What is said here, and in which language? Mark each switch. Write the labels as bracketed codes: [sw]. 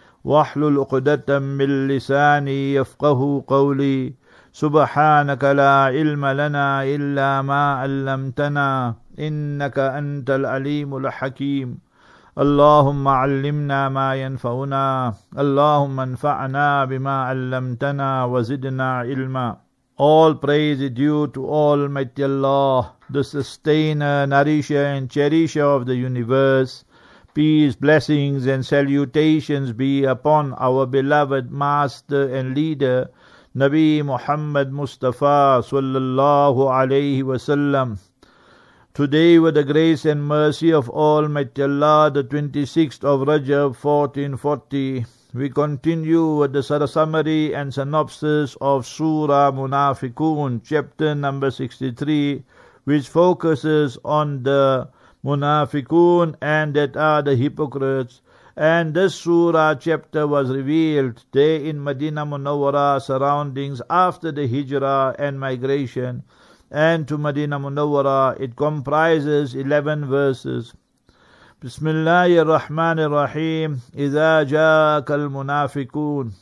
[ar] واحلل عقدة من لساني يفقه قولي سبحانك لا علم لنا إلا ما علمتنا إنك أنت العليم الحكيم اللهم علمنا ما ينفعنا اللهم انفعنا بما علمتنا وزدنا علما. [en] All praise is due to Almighty Allah, the sustainer, nourisher and cherisher of the universe. Peace, blessings and salutations be upon our beloved master and leader, Nabi Muhammad Mustafa sallallahu alayhi wa sallam. Today, with the grace and mercy of Almighty Allah, the 26th of Rajab 1440, we continue with the summary and synopsis of Sura Munafiqun, chapter number 63, which focuses on the Munafiqun and that are the hypocrites. And this Sura chapter was revealed there in Medina Munawwara surroundings after the Hijrah and migration. And to Medina Munawwara, it comprises 11 verses. [ar] بسم الله الرحمن الرحيم إذا جاءك المنافقون.